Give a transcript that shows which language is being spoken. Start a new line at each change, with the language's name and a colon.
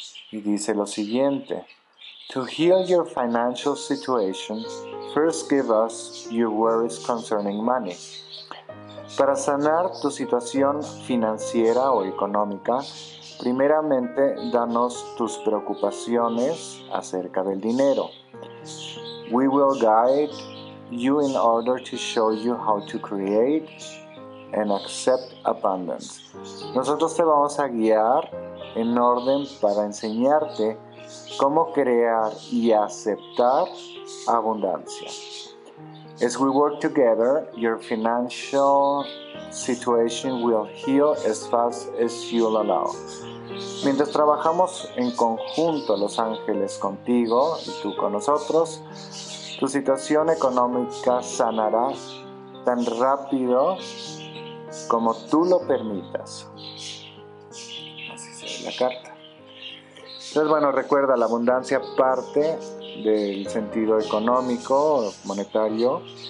Spanish: Y dice lo siguiente,
English: to heal your financial situation, first give us your worries concerning money.
Spanish: Para sanar tu situación financiera o económica, primeramente danos tus preocupaciones acerca del dinero.
English: We will guide you in order to show you how to create and accept abundance.
Spanish: Nosotros te vamos a guiar en orden para enseñarte cómo crear y aceptar abundancia.
English: As we work together, your financial situation will heal as fast as you allow.
Spanish: Mientras trabajamos en conjunto, los ángeles contigo y tú con nosotros, tu situación económica sanará tan rápido como tú lo permitas. Así se ve la carta. Entonces, bueno, recuerda, la abundancia parte del sentido económico, monetario.